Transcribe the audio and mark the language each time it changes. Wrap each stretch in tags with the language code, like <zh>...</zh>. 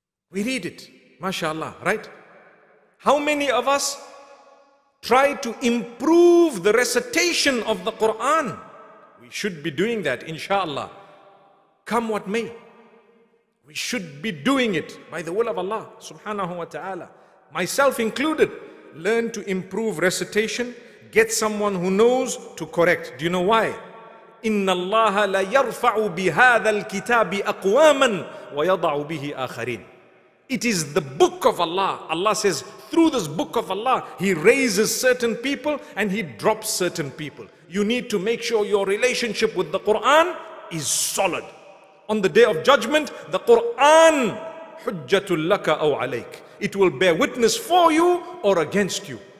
<en>We read it, mashallah, right? How many of us try to improve the recitation of the Quran? We should be doing that, inshallah. Come what may, we should be doing it by the will of Allah, subhanahu wa ta'ala. Myself included, learn to improve recitation. Get someone who knows to correct. Do you know why?</en> <ar>إِنَّ اللَّهَ لَيَرْفَعُ بِهَذَا الْكِتَابِ أَقْوَامًا وَيَضَعُ بِهِ آخَرِينَ</ar> <en>It is the book of Allah. Allah says, through this book of Allah, He raises certain people and He drops certain people. You need to make sure your relationship with the Quran is solid. On the day of judgment, the Quran,</en> <ar>hujjatul laka aw alayk,</ar> <en>it will bear witness for you or against you.</en>